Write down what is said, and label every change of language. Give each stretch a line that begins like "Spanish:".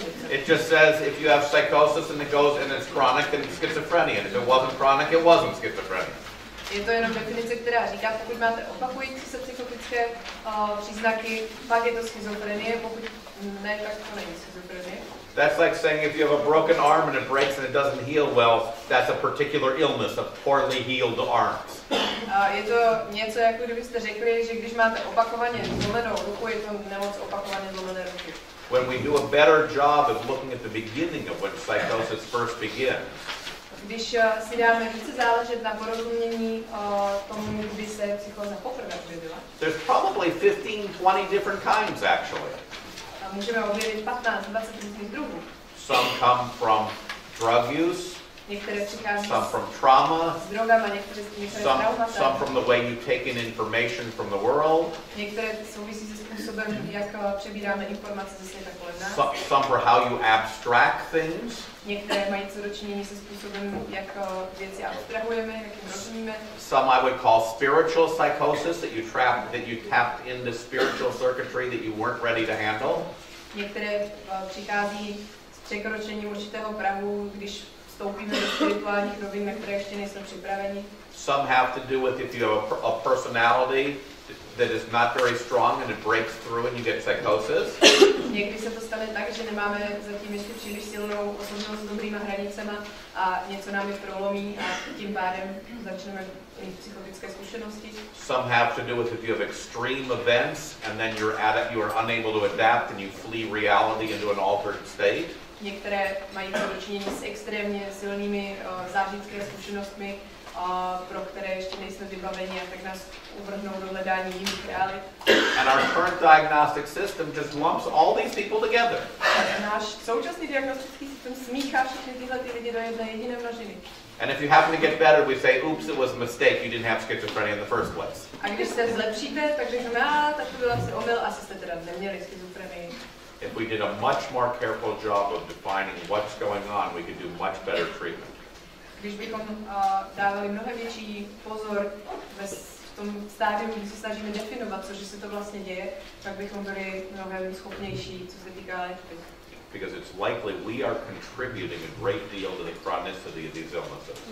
English: It just says if you have psychosis and it goes and it's chronic, then it's schizophrenia. And if it wasn't chronic, it wasn't schizophrenia.
Czech: Je to jenom definice, která říká, pokud máte opakující se psychotické příznaky, pak je to schizofrenie, pokud ne, tak to není schizofrenie.
English: That's like saying if you have a broken arm and it breaks and it doesn't heal well, that's a particular illness, a poorly healed arm.
Czech: Je to něco, jako kdybyste řekli, že když máte opakovaně zlomenou ruku, je to nemoc opakovaně zlomené ruky.
English: When we do a better job of looking at the beginning of when psychosis first begins,
Czech: když si dáme více záležet na porozumění tomu, kdy se psychóza poprvé objevila.
English: There's probably 15-20 different kinds actually.
Czech: Můžeme objevit 15-20 různých druhů.
English: Some come from drug use.
Czech: Některé přichází.
English: Some from trauma.
Czech: S drogama, některé z nich jsou traumata.
English: Some from the way you take in information from the world.
Czech: Některé souvisí se způsobem, jak přebíráme informace ze světa kolem nás.
English: Some for how you abstract things.
Czech: Některé mají co dočinění se způsobem, jak věci abstrahujeme, jak jim rozumíme.
English: Some I would call spiritual psychosis, that you tapped in the spiritual circuitry that you weren't ready to handle.
Czech: Některé přichází s překročením určitého prahu, když vstoupíme do spirituálních rovin, na které ještě nejsme připraveni.
English: Some have to do with if you have a personality that is not very strong and it breaks through and you get psychosis.
Czech: Někdy se to stane tak, že nemáme zatím ještě příliš silnou osobnost s dobrýma hranicema a něco nám je prolomí a tím pádem začneme mít psychotické zkušenosti.
English: Some have to do with if you have extreme events and then you are unable to adapt and you flee reality into an altered state.
Czech: Některé mají to dočinění s extrémně silnými zážitkovými zkušenostmi, pro které ještě nejsme vybaveni, a tak nás uvrhnou do hledání jiných realit.
English: And our current diagnostic system just lumps all these people together.
Czech: Náš současný diagnostický systém smíchá všechny tyhle ty lidi do jedné jediné množiny.
English: And if you happen to get better, we say, oops, it was a mistake, you didn't have schizophrenia in the first place.
Czech: A když se zlepšíte, tak řekneme, tak to byl asi omyl, asi jste teda neměli schizofrenii.
English: If we did a much more careful job of defining what's going on, we could do much better treatment.
Czech: Když bychom dávali mnohem větší pozor v tom stádiu, kdy se snažíme definovat, co se to vlastně děje, tak bychom byli mnohem schopnější, co se týká léčby.
English: Because it's likely we are contributing a great deal to the chronicity of these illnesses.